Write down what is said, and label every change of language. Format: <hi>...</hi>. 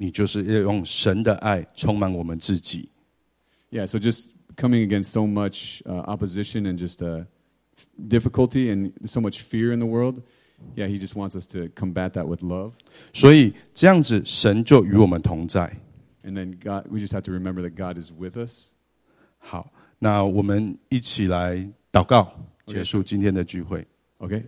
<zh>所以他要告诉我们今天的基督徒，面对这么多的恐惧，唯一的秘诀，你就是要用神的爱充满我们自己。</zh> <en>Yeah. So just coming against so much opposition and just difficulty and so much fear in the world. Yeah, he just wants us to combat that with love.</en> <zh>所以这样子神就与我们同在。</zh> <en>And then God, we just have to remember that God is with us.</en> <zh>好，那我们一起来祷告，结束今天的聚会。</zh> <en>Okay,</en>